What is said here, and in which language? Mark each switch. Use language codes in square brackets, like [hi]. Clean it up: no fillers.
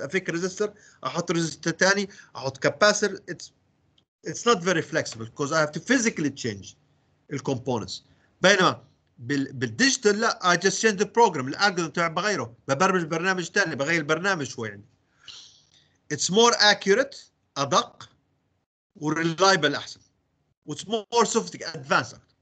[ar] أفك resistor, أحط resistor تاني, أحط capacitor. [en] It's not very flexible because I have to physically change the components. [ar] بينما بالديجيتال لا, [en] I just change the program, [ar] الالجوريثم تبع بغيره, ببرمج برنامج ثاني, بغير البرنامج شوي يعني. [en] It's more accurate, [ar] أدق وريلايبل أحسن. [en] It's more sophisticated, advanced.